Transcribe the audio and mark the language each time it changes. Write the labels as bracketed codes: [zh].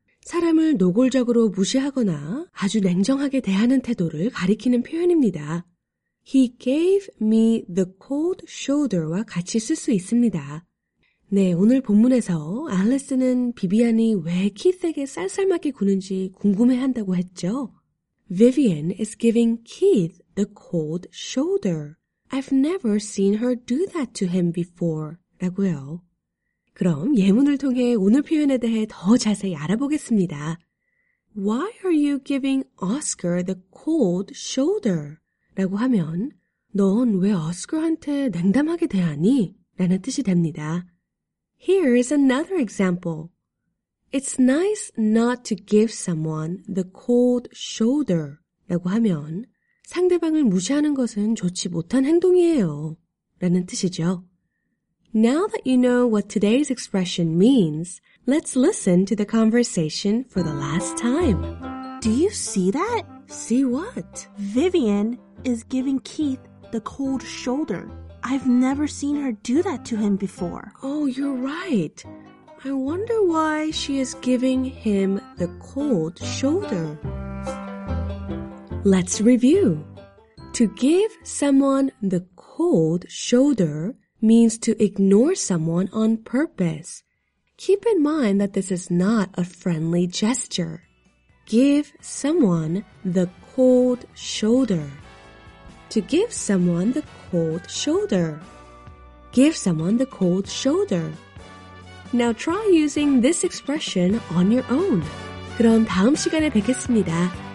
[ko] 사람을 노골적으로 무시하거나 아주 냉정하게 대하는 태도를 가리키는 표현입니다. [en] He gave me the cold shoulder [ko] 와 같이 쓸 수 있습니다. 네, 오늘 본문에서 알리스는 비비안이 왜 키스에게 쌀쌀맞게 구는지 궁금해한다고 했죠. [en] Vivian is giving Keith the cold shoulder. I've never seen her do that to him before. [ko] 라고요. 그럼 예문을 통해 오늘 표현에 대해 더 자세히 알아보겠습니다. [en] Why are you giving Oscar the cold shoulder? [ko] 라고 하면 넌 왜 Oscar한테 냉담하게 대하니? 라는 뜻이 됩니다. [en] Here is another example. It's nice not to give someone the cold shoulder. [ko] 라고 하면 상대방을 무시하는 것은 좋지 못한 행동이에요. 라는 뜻이죠. [en] Now that you know what today's expression means, let's listen to the conversation for the last time. Do you see that? See what? Vivian is giving Keith the cold shoulder. I've never seen her do that to him before. Oh, you're right. I wonder why she is giving him the cold shoulder. Let's review. To give someone the cold shoulder means to ignore someone on purpose. Keep in mind that this is not a friendly gesture. Give someone the cold shoulder. To give someone the cold shoulder. Give someone the cold shoulder. Now try using this expression on your own. [ko] 그럼 다음 시간에 뵙겠습니다.